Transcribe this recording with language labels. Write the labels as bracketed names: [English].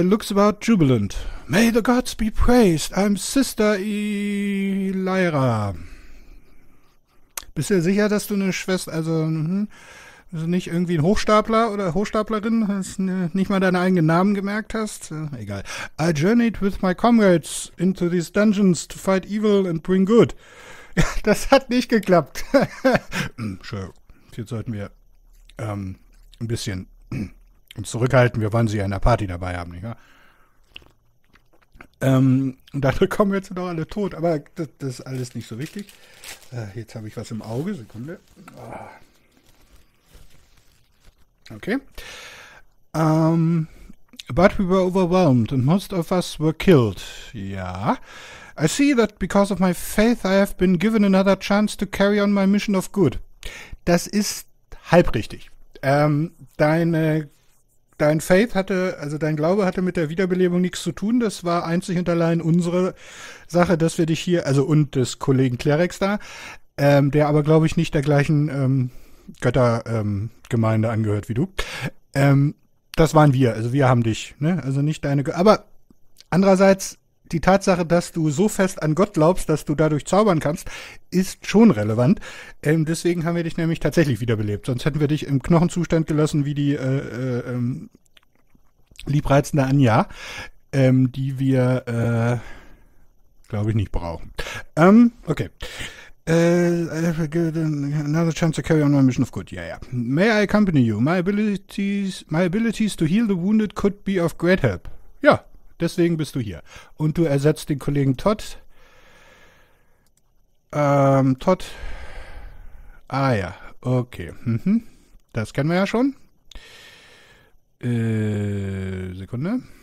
[English] Looks about jubilant. May the gods be praised. I'm Sister Elyra. [German] Bist du dir sicher, dass du eine Schwester, also nicht irgendwie ein Hochstapler oder Hochstaplerin, hast nicht mal deinen eigenen Namen gemerkt hast? Egal. [English] I journeyed with my comrades into these dungeons to fight evil and bring good. [German] Das hat nicht geklappt. Entschuldigung. Jetzt sollten wir ein bisschen uns zurückhalten. Wir wollen sie ja in der Party dabei haben, nicht wahr? Und dadurch kommen wir jetzt noch alle tot, aber das ist alles nicht so wichtig. Jetzt habe ich was im Auge, Sekunde. Okay. [English] But we were overwhelmed and most of us were killed. Ja. I see that because of my faith I have been given another chance to carry on my mission of good. [German] Das ist halb richtig. Dein Faith hatte, also dein Glaube hatte mit der Wiederbelebung nichts zu tun. Das war einzig und allein unsere Sache, dass wir dich hier, also und des Kollegen Klerex da, der aber glaube ich nicht der gleichen Göttergemeinde angehört wie du. Das waren wir, also wir haben dich, ne? Also nicht deine. Aber andererseits die Tatsache, dass du so fest an Gott glaubst, dass du dadurch zaubern kannst, ist schon relevant. Deswegen haben wir dich nämlich tatsächlich wiederbelebt. Sonst hätten wir dich im Knochenzustand gelassen, wie die liebreizende Anja, die wir, glaube ich, nicht brauchen. Okay. [English] Another chance to carry on my mission of good. May I accompany you? My abilities to heal the wounded could be of great help. [German] Ja, deswegen bist du hier. Und du ersetzt den Kollegen Todd. Todd. Ah ja, okay. Das kennen wir ja schon. Sekunde.